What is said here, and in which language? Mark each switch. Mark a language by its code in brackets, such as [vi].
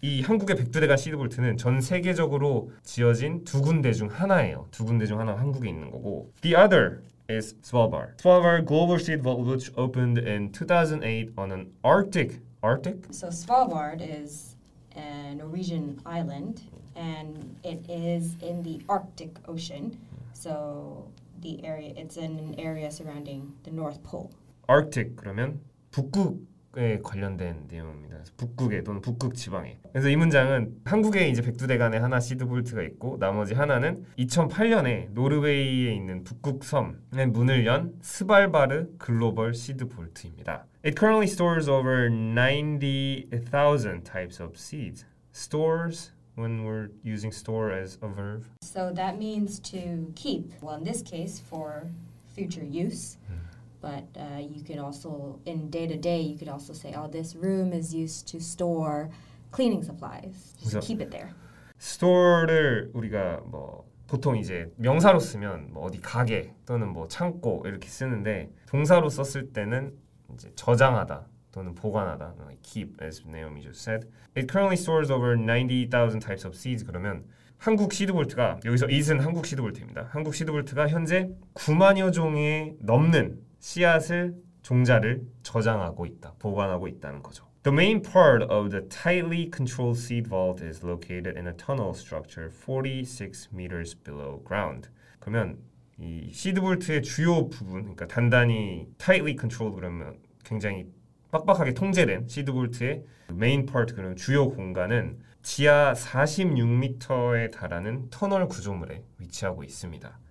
[ko] 이 한국의 백두대간 시드 볼트는 전 세계적으로 지어진 두 군데 중 하나예요. 두 군데 중 하나 한국에 있는 거고 [en] the other is Svalbard. Svalbard Global Seed Vault, which opened in 2008 on an Arctic? So Svalbard is a Norwegian island, and it is in the Arctic Ocean. So the area, it's in an area surrounding the North Pole. [ko] Arctic, 그러면 북극. 에 관련된 내용입니다. 북극에 또는 북극 지방에. 그래서 이 문장은 한국에 이제 백두대간에 하나 시드볼트가 있고 나머지 하나는 2008년에 노르웨이에 있는 북극섬의 문을 연 스발바르 글로벌 시드볼트입니다. [en] It currently stores over 90,000 types of seeds. Stores, when we're using store as a verb. So that means to keep. Well, in this case, for future use. But you could also, in day-to-day, you could also say, oh, this room is used to store cleaning supplies. Just keep it there. [ko] Store를 우리가 뭐 보통 이제 명사로 쓰면 뭐 어디 가게 또는 뭐 창고 이렇게 쓰는데 동사로 썼을 때는 이제 저장하다 또는 보관하다. [en] Keep, as Naomi just said. It currently stores over 90,000 types of seeds. [ko] 그러면 한국 시드볼트가, 여기서 it은 한국 시드볼트입니다. 한국 시드볼트가 현재 9만여 종에 넘는 씨앗을 종자를 저장하고 있다, 보관하고 있다는 거죠. [en] The main part of the tightly controlled seed vault is located in a tunnel structure 46 meters below ground. [ko] 그러면 이 시드 볼트의 주요 부분, 그러니까 단단히 [en] tightly controlled [ko] 그러면 굉장히 빡빡하게 통제된 시드 볼트의 [en] main part [ko] 그러면 주요 공간은 지하 46m에 달하는 터널 구조물에 위치하고 있습니다.